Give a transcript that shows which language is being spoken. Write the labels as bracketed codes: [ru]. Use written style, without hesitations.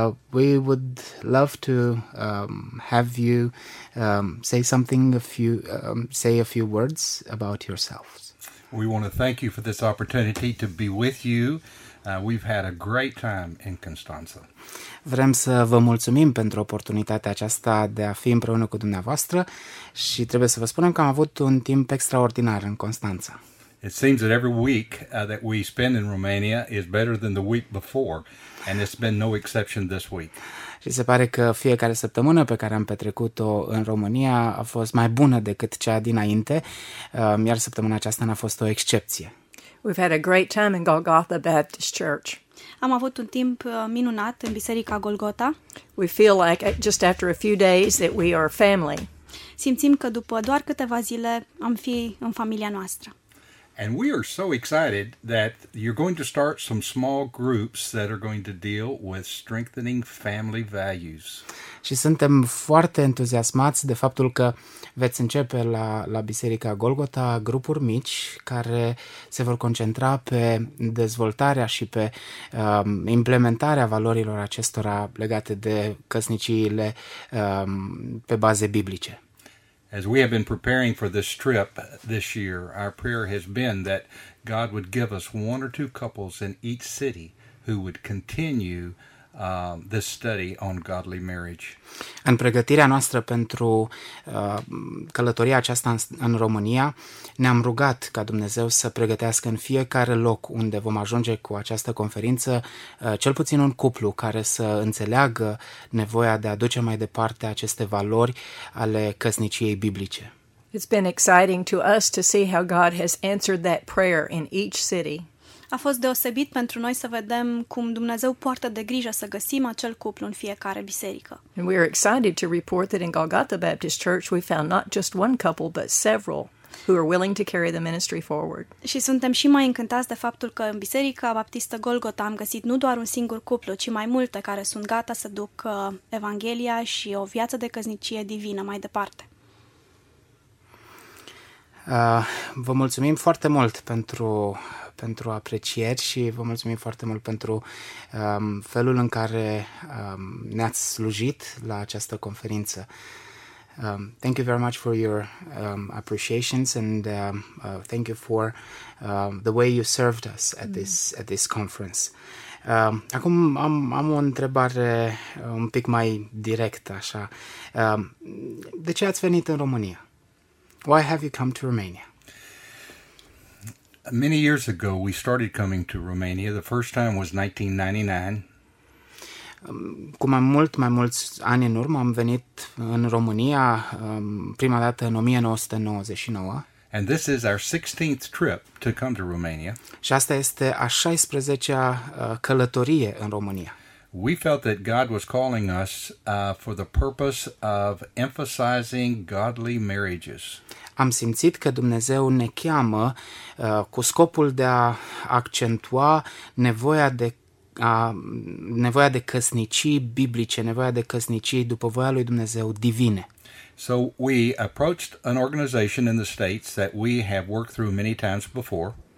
[en] We would love to have you say something, a few words about yourselves. We want to thank you for this opportunity to be with you. We've had a great time in Constanza. [ro] Vrem să vă mulțumim pentru oportunitatea aceasta de a fi împreună cu dumneavoastră și trebuie să vă spunem că am avut un timp extraordinar în Constanța. [en] It seems that every week that we spend in Romania is better than the week before, and it's been no exception this week. [ro] Și se pare că fiecare săptămână pe care am petrecut-o în România a fost mai bună decât cea dinainte, iar săptămâna aceasta n-a fost o excepție. [en] We've had a great time in Golgotha Baptist Church. [ro] Am avut un timp minunat în Biserica Golgota. [en] We feel like just after a few days that we are family. [ro] Simțim că după doar câteva zile am fi în familia noastră. [en] And we are so excited that you're going to start some small groups that are going to deal with strengthening family values. [ro] Și suntem foarte entuziasmați de faptul că veți începe la Biserica Golgota grupuri mici care se vor concentra pe dezvoltarea și pe implementarea valorilor acestora legate de căsniciile pe baze biblice. [en] As we have been preparing for this trip this year, our prayer has been that God would give us one or two couples in each city who would continue this study on godly marriage. [ro] În pregătirea noastră pentru călătoria aceasta în România, ne-am rugat ca Dumnezeu să pregătească în fiecare loc unde vom ajunge cu această conferință cel puțin un cuplu care să înțeleagă nevoia de a duce mai departe aceste valori ale căsniciei biblice. [en] It's been exciting to us to see how God has answered that prayer in each city. [ro] A fost deosebit pentru noi să vedem cum Dumnezeu poartă de grijă să găsim acel cuplu în fiecare biserică. [en] And we are excited to report that in Golgotha Baptist Church we found not just one couple but several who are willing to carry the ministry forward. [ro] Și suntem și mai încântați de faptul că în Biserica Baptistă Golgota am găsit nu doar un singur cuplu, ci mai multe care sunt gata să ducă evanghelia și o viață de căsnicie divină mai departe. Vă mulțumim foarte mult pentru pentru aprecieri și vă mulțumim foarte mult pentru felul în care ne-ați slujit la această conferință. [en] Thank you very much for your appreciations and thank you for the way you served us at this conference. [ro] Acum am o întrebare un pic mai directă, așa. De ce ați venit în România? [en] Why have you come to Romania? Many years ago we started coming to Romania. The first time was 1999. [ro] Cu mai mulți ani în urmă am venit în România prima dată în 1999. [en] And this is our 16th trip to come to Romania. [ro] Și asta este a 16-a călătorie în România. [en] We felt that God was calling us for the purpose of emphasizing godly marriages. [ro] Am simțit că Dumnezeu ne cheamă cu scopul de a accentua nevoia de căsnicii biblice, nevoia de căsnicii după voia lui Dumnezeu divine. [en] So we approached an organization in the States that we have worked through many times before.